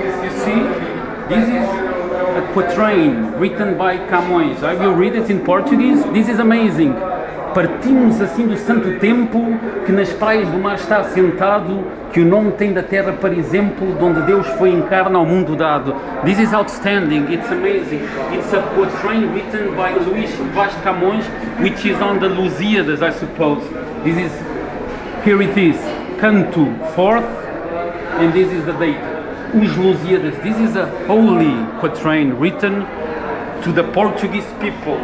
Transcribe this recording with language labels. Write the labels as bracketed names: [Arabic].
[English] You see, this is a quatrain written by Camões. I will read it in Portuguese. This is amazing. [Portuguese] Partimos assim do santo tempo, que nas praias do mar está assentado, que o nome tem da terra para exemplo, onde Deus foi encarna ao mundo dado. [English] This is outstanding, it's amazing. It's a quatrain written by Luís Vaz de Camões, which is on the Lusíadas, I suppose. This is, here it is, canto 4th, and this is the date. Os Lusíadas, this is a holy quatrain written to the Portuguese people.